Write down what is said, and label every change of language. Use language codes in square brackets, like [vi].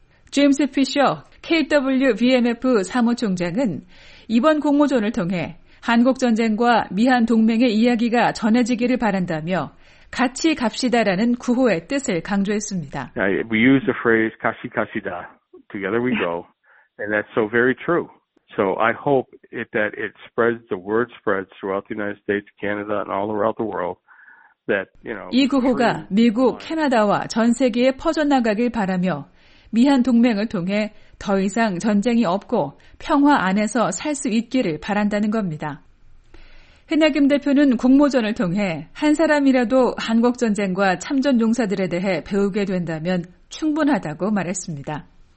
[ko] 제임스 피셔 KWVMF 사무총장은 이번 공모전을 통해 한국전쟁과 미한 동맹의 이야기가 전해지기를 바란다며 같이 갑시다라는 구호의 뜻을 강조했습니다. [en] We use the phrase [ko] 같이 갑시다. [en] Together we go. And that's so very true. So I hope that it spreads, the word spreads throughout the United States, Canada, and all around the world. [ko] 이 구호가 미국, 캐나다와 전 세계에 퍼져나가길 바라며 미한 동맹을 통해 더 이상 전쟁이 없고 평화 안에서 살 수 있기를 바란다는 겁니다. 해나김 대표는 공모전을 통해 한 사람이라도 한국 전쟁과 참전 용사들에 대해 배우게 된다면 충분하다고 말했습니다.